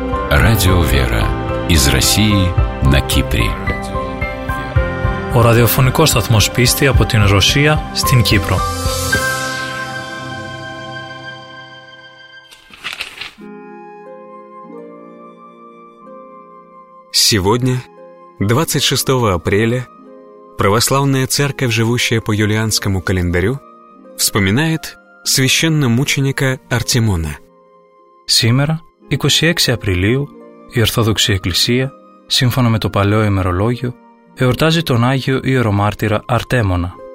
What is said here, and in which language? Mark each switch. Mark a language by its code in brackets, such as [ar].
[ru] Радио «Вера» из России на Кипре. [el] Ο ραδιοφωνικός σταθμός πίστη από την Ρωσία στην Κύπρο. [ru] Сегодня, 26 апреля, православная церковь, живущая по юлианскому календарю, вспоминает священномученика Артемона. [el] Σήμερα, 26 Απριλίου, η Ορθόδοξη Εκκλησία, σύμφωνα με το παλαιό ημερολόγιο, εορτάζει τον Άγιο Ιερομάρτυρα Αρτέμονα.